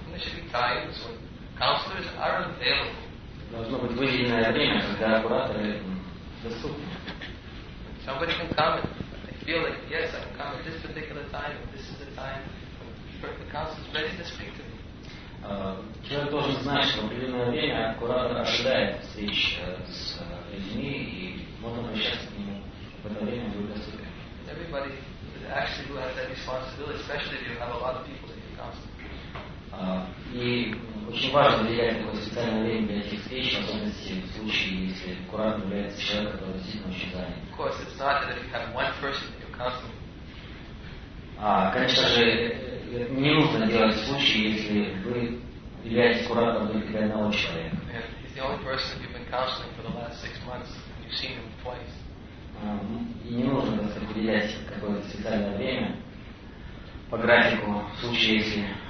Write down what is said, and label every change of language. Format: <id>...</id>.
<en>There should be times when counselors are available.</en> <ru>Должно быть выделенное время, когда кураторы доступны.</ru> <en>Somebody can come. Feel like, yes, I'm coming at this particular time, and this is the time when the council is ready to speak to me.</en> <ru>Человек должен знать, что в определенное время куратор ожидает встреч с людьми, и можно обращаться к нему в это время будет доступен.</ru> <en>Everybody actually who has that responsibility, especially if you have a lot of people in your council.</en> <ru>И очень важно влиять на такое специальное время для этих встреч, в особенности в случае, если куратор является человеком, который действительно очень занят.</ru> <en>Of course, it's not that if you have one person in your council.</en> <ru>Конечно же, не нужно делать случай, если вы являетесь куратором только для одного человека.</ru> <en>And he's the only person you've been counseling for the last six months, and you've seen him twice.</en> <ru>И не нужно распределять какое-то специальное время по графику, в случае, если</ru>